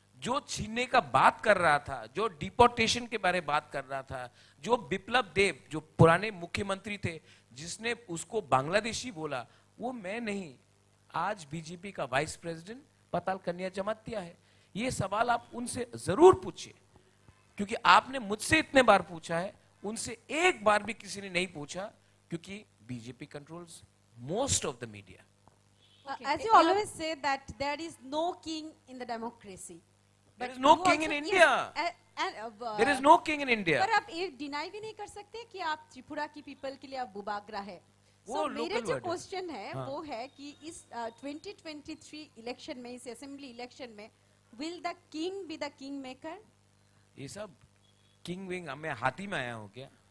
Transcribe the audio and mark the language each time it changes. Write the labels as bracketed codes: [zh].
[hi] जो छीनने का बात कर रहा था, जो डिपोर्टेशन के बारे में बात कर रहा था, जो बिप्लब देव जो पुराने मुख्यमंत्री थे जिसने उसको बांग्लादेशी बोला, वो मैं नहीं, आज बीजेपी का वाइस प्रेसिडेंट पताल कन्या जमातिया है। ये सवाल आप उनसे जरूर पूछिए, क्योंकि आपने मुझसे इतने बार पूछा है, उनसे एक बार भी किसी ने नहीं पूछा, क्योंकि [en] BJP controls most of the media. As you always say that there is no king in the democracy. There is no king in India. There is no king in India. [hi] पर आप ये deny भी नहीं कर सकते कि आप त्रिपुरा की people के लिए आप बुबागरा है। So मेरे जो question है वो है कि इस 2023 election में, इस assembly election में, [en] will the king be the king maker? [hi] ये सब king wing, मैं हाथी में आया हूँ क्या?